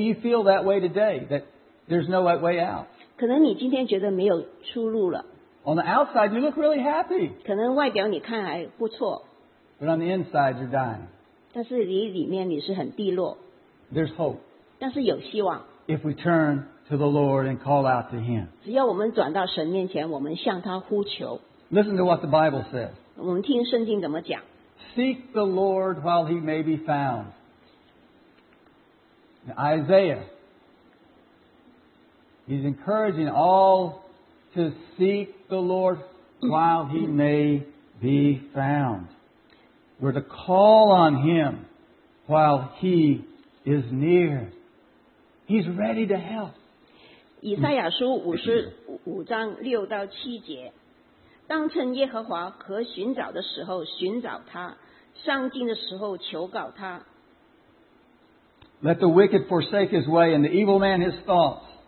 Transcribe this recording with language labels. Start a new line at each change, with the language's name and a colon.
English: you feel that way today, that there's no way out.
Chinese: 可能你今天觉得没有出路了。
English: On the outside, you look really happy.
Chinese: 可能外表你看还不错,
English: but on the inside, you're dying.
Chinese: 但是你里面你是很低落,
English: there's hope.
Chinese: 但是有希望,
English: if we turn to the Lord and call out to Him.
Chinese: 只要我们转到神面前, 我们向他呼求,
English: Listen to what the Bible says.
Chinese: 我们听圣经怎么讲。
English: Seek the Lord while He may be found. Now, Isaiah, he's encouraging all to seek the Lord while He may be found. We're to call on Him while He is near. He's ready to help.
Chinese: 以赛亚书55:6-7节 当趁耶和华可寻找的时候寻找他上进的时候求告他
English: Let the wicked forsake his way and the evil man his thoughts.